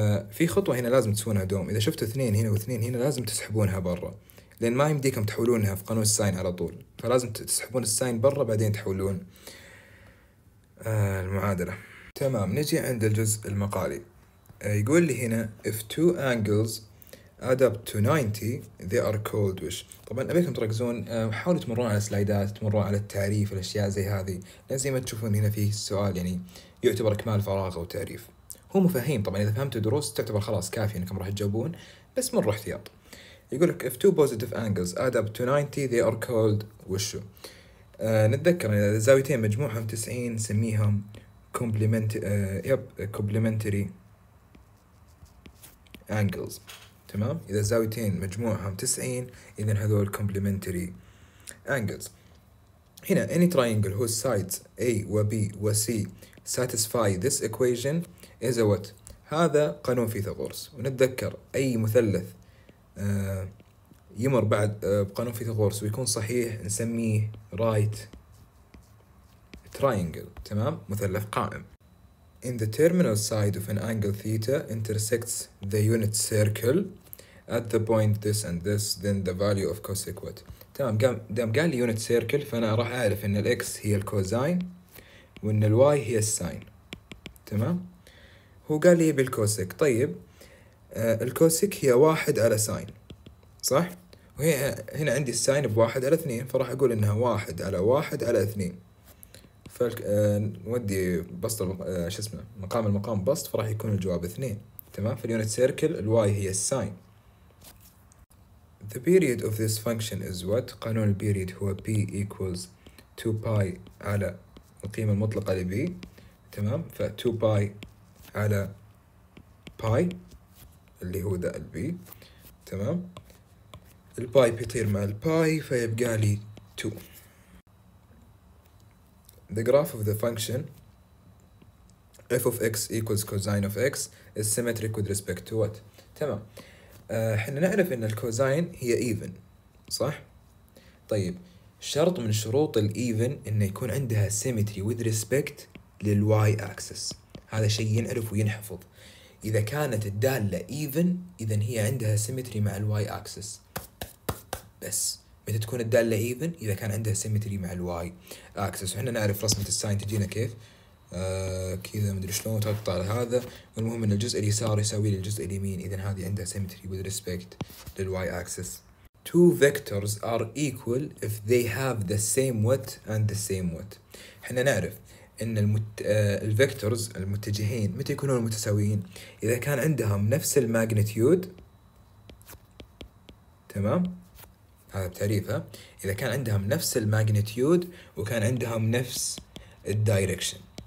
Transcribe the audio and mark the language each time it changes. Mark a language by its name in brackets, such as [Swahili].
[Arabic] في خطوة هنا لازم تسوونها دوم، إذا شفتوا اثنين هنا واثنين هنا لازم تسحبونها برا، لأن ما يمديكم تحولونها في قانون الساين على طول، فلازم تسحبون الساين برا بعدين تحولون المعادلة. تمام، نجي عند الجزء المقالي. يقول لي هنا [English] if two angles add up to 90 they are called which. [Arabic] طبعا ابيكم تركزون، حاولوا تمرون على سلايدات، تمرون على التعريف الاشياء زي هذه، لان زي ما تشوفون هنا فيه السؤال يعني يعتبر اكمال فراغ او تعريف، هو مفاهيم طبعا اذا فهمتوا دروس تعتبر خلاص كافي انكم راح تجاوبون، بس مر احتياط. يقول لك [English] if two positive angles add up to 90 they are called which. [Arabic] نتذكر يعني زاويتين مجموعهم 90 نسميهم complementary angles. تمام، اذا زاويتين مجموعهم 90 اذا هذول complementary angles. [English] هنا any triangle whose sides a و b و c satisfy this equation is a what. [Arabic] هذا قانون فيثاغورس، ونتذكر اي مثلث يمر بعد بقانون فيثاغورس ويكون صحيح نسميه right triangle. تمام، مثلث قائم. [English] In the terminal side of an angle theta intersects the unit circle at the point this and this, then the value of cosec what. [Arabic] تمام، دام قال لي unit circle فأنا راح أعرف إن الـ x هي الكوزين وإن الـ y هي السين. تمام، هو قال لي بالكوسك. طيب الكوسك هي واحد على سين، صح؟ وهي هنا عندي السين بواحد على اثنين، فراح أقول إنها واحد على واحد على اثنين. نودي بسط شو اسمه مقام المقام بسط، فراح يكون الجواب اثنين. تمام، في اليونت سيركل الواي هي الساين. [English] The period of this function is what. [Arabic] قانون البيريد هو [English] b equals 2 pi [Arabic] على القيمة المطلقة لb. تمام، ف 2 pi على pi اللي هو ذا الb. تمام، الباي بيطير مع الباي فيبقى لي 2. [English] The graph of the function f of x equals cosine of x is symmetric with respect to what. [Arabic] تمام، احنا نعرف ان الكوزين هي even، صح؟ طيب شرط من شروط الايفن انه يكون عندها [English] symmetry with respect [Arabic] للy axis. هذا شيء ينعرف وينحفظ. اذا كانت الدالة even اذا هي عندها symmetry مع الy axis. بس متى تكون الدالة even؟ إذا كان عندها symmetry مع الواي axis. وحنا نعرف رسمة الساين تجينا كيف، كذا مدري شلون تقطع هذا، والمهم إن الجزء اليسار يساوي للجزء اليمين، إذا هذه عندها [English] symmetry with respect [Arabic] للواي axis. [English] Two vectors are equal if they have the same width and the same width. [Arabic] حنا نعرف إن الvectors المتجهين متى يكونون متساويين؟ إذا كان عندهم نفس magnitude. تمام؟ هذا بتعريفها، إذا كان عندهم نفس الماجنتيود وكان عندهم نفس الدايركشن.